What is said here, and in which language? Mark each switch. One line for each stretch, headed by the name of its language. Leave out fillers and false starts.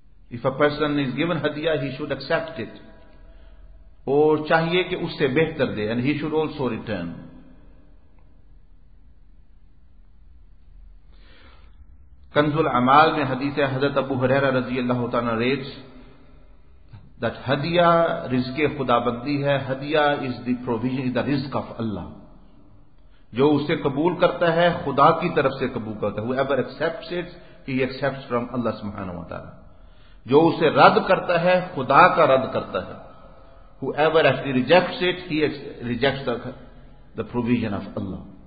English: If a person is given ہدیہ he should accept it,
Urdu: اور چاہیے کہ اس سے بہتر دے,
English: and he should also return.
Urdu: کنز العمال میں حدیث ہے حضرت ابو ہریرہ رضی اللہ تعالیٰ
English: narrates that
Urdu: hadiya رزق خداوندی ہے.
English: hadiya is the provision, is the rizq of Allah.
Urdu: جو اسے قبول کرتا ہے خدا کی طرف سے قبول کرتا ہے.
English: whoever accepts it he accepts from Allah سبحانہ وتعالی.
Urdu: جو اسے رد کرتا ہے خدا کا رد کرتا ہے.
English: whoever actually rejects it he rejects the provision of Allah.